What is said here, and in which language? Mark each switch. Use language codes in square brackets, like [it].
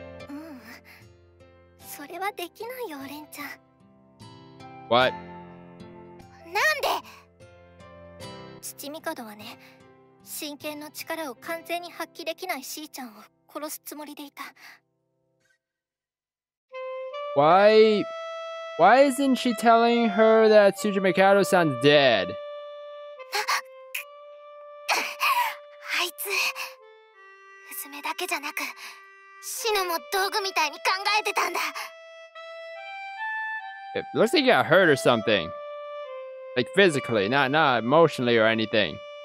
[ja] うん、それはできないよ、レンちゃん。 [en] What? [ja] なんで? 父ミカドはね、真剣の力を完全に発揮できないシーちゃんを殺すつもりでいた。 [en] Why isn't she telling her that Tsujimi Kado-san's dead? [ja] あいつ、娘だけじゃなく、シノも道具みたいに考えてたんだ。 [en] It looks like he got hurt or something. Like physically, not emotionally or anything.